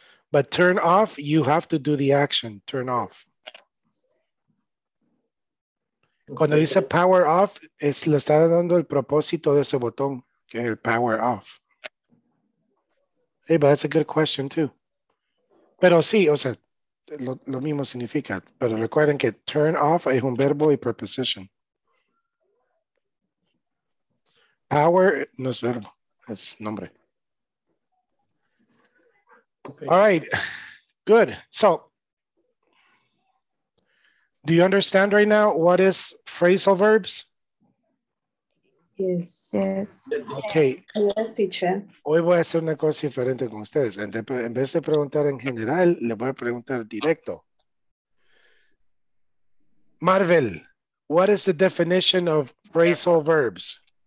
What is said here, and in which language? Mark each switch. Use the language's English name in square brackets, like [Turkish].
[English] But turn off, you have to do the action, turn off. [Spanish] Cuando dice power off, es le está dando el propósito de ese botón, que es el power off. [English] Hey, but that's a good question too. [Spanish] Pero sí, o sea, lo mismo significa. Pero recuerden que turn off es un verbo y preposition. Power no es verbo, es nombre. [English] Okay. All right, good. So, do you understand right now what is phrasal verbs? Yes. Yes. Okay. Yes, teacher. [Spanish] Hoy voy a hacer una cosa diferente con ustedes. En vez de preguntar en general, le voy a preguntar directo. [English] Marvel, what is the definition of phrasal verbs?